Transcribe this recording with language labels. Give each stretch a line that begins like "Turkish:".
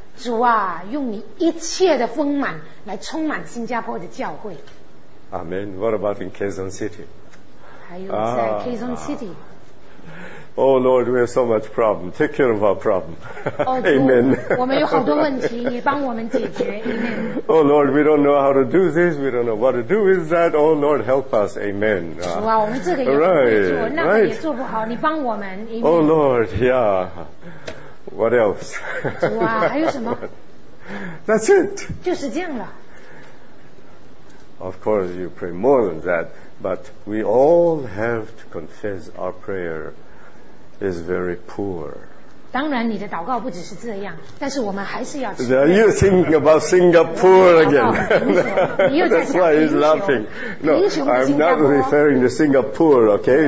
Chinese: 主啊，用你一切的丰满来充满新加坡的教会。
English: Amen. What about in Quezon City? Ah. Oh Lord, we have so much problem. Take care of our problem. Oh, Amen.
Chinese: 我们有好多问题，你帮我们解决。
English: Amen. Oh Lord, we don't know how to do this. We don't know what to do with that. Oh Lord, help us. Amen.
Chinese: 主啊，我们这个也做不好，那个也做不好。
English: Right.
Chinese: 你帮我们。Amen.
English: Oh Lord, yeah. What else?
Chinese: 主啊，还有什么？
English: That's it.
Chinese: 就是这样了。
English: Of course, you pray more than that. But we all have to confess our prayer is very poor.
Chinese: 当然你的祷告不只是这样，但是我们还是要。
English: Now you're thinking about Singapore again. That's why he's laughing. No, I'm not referring to Singapore, okay?